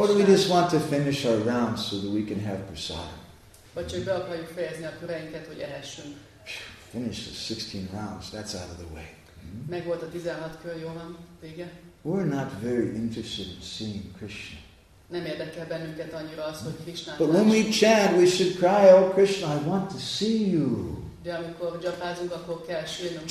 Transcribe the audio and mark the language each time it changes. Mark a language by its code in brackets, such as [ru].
[en] Or do we just want to finish our rounds so that we can have prasadam? [hu] Vagy csak be akarjuk fejezni a köreinket, hogy ehessünk. [en] Finish the 16 rounds, that's out of the way. [hu] Meg volt a 16 kör, jól van, vége. [en] We're not very interested in seeing Krishna. [hu] Nem érdekel bennünket annyira az, hogy Krishna. [en] But when we chant, we should cry, oh Krishna, I want to see you. [hu] De amikor japázunk, akkor kell sülnünk.